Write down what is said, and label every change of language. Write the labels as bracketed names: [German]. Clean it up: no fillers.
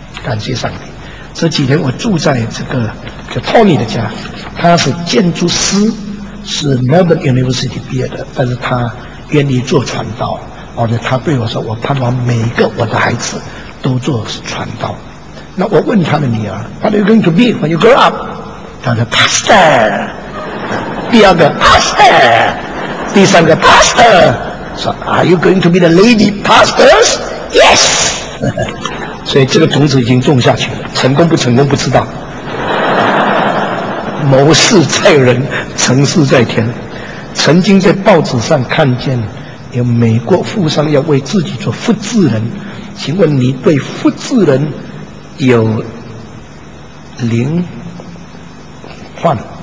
[Chinese] 感谢上帝，这几天我住在这个叫 Tony 的家，他是建筑师，是 Melbourne University 毕业的，但是他愿意做传道，而且他对我说，我盼望每个我的孩子都做传道。那我问他的女儿， [English] What are you going to be when you grow up? [Chinese] 他说 Pastor。第二个 Pastor。第三个 Pastor。 [English] 说 Are you going to be the lady pastors? Yes。 [Chinese] 所以这个种子已经种下去了，成功不成功不知道，谋事在人，成事在天。曾经在报纸上看见有美国富商要为自己做复制人，请问你对复制人有灵幻？